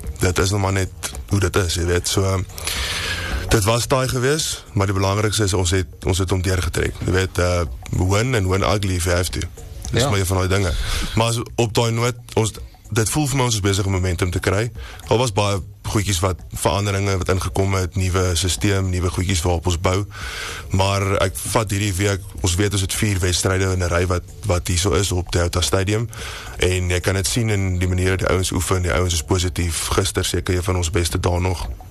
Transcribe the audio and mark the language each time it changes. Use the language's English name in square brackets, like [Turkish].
[Afrikaans] Dit is nog maar net hoe dit is, jy weet. So, dit was taai gewees, maar die belangrikste is, ons het om deurgetrek. Jy weet, [English] win and win ugly if you have to. [Afrikaans] Dis maar een van die dinge. Maar op die noot, dit voel vir my ons is bezig om momentum te kry. Al was baie goeitjies wat veranderinge wat ingekom het, nuwe systeem, nuwe goeitjies waarop ons bou. Maar ek vat hierdie week, ons weet ons het 4 wedstryde in 'n ry wat hier so is op die Jota Stadium. En jy kan het sien in die manier dat die ouens oefen, die ouens is positief. Gister seker een van ons beste daar nog.